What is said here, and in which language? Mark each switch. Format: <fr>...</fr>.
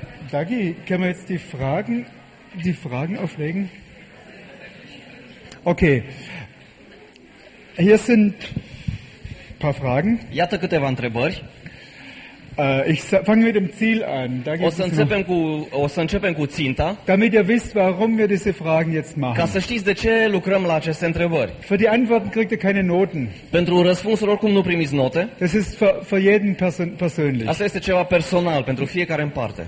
<de>Dagi, können wir jetzt die Fragen auflegen? Okay. Hier sind ein paar Fragen.</de> <ro>Iată câteva întrebări.</ro> <de>Ich fange mit dem Ziel an. Dagi,</de> <ro>o să începem cu ținta.</ro> <de>Damit ihr wisst, warum wir diese Fragen jetzt machen.</de> <ro>Ca să știți de ce lucrăm la aceste întrebări.</ro> <de>Für die Antworten kriegt ihr keine Noten.</de> <ro>Pentru răspunsuri oricum nu primiți note.</ro> <de>Das ist für jeden persönlich.</de> <ro>Asta este ceva personal pentru fiecare în parte.</ro>